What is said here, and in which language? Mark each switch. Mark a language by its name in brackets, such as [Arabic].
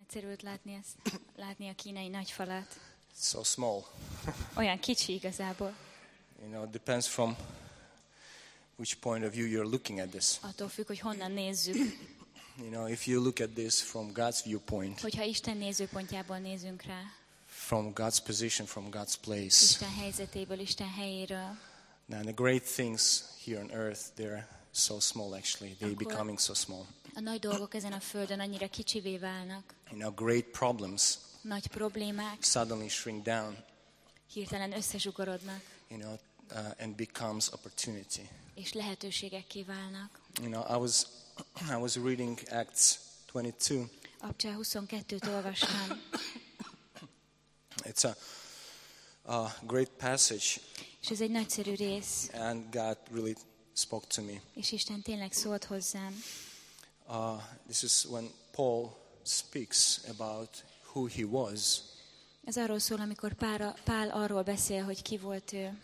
[Hungarian] megszerült látni ezt, látni a kínai nagy falat. [English] So small. [Hungarian] Olyan kicsi igazából. [English] You know, it depends from which point of view you're looking at this. [Hungarian] Attól függ, hogy honnan nézzük. [English] You know, if you look at this from God's viewpoint. [Hungarian] Hogyha Isten nézőpontjából nézünk rá. [English] From God's position, from God's place. [Hungarian] Isten helyzetéből, Isten helyéről. [English] And the great things here on earth, they're so small actually. They're becoming so small. [Hungarian] A nagy dolgok ezen a földön annyira kicsivé válnak. [English] You know, great problems. [Hungarian] Nagy problémák. [English] Suddenly shrink down. [Hungarian] Hirtelen összezsugorodnak. [English] You know, and becomes opportunity. [Hungarian] És lehetőségekké válnak. [English] You know, I was reading Acts 22. [Hungarian] Apcsa 22-t olvastam. [English] It's a great passage. [Hungarian] És ez egy nagyszerű rész. [English] And God really spoke to me. [Hungarian] És Isten tényleg szólt hozzám. [English] This is when Paul speaks about who he was. [Hungarian] Ez arról szól, amikor Pál arról beszél, hogy ki volt ő.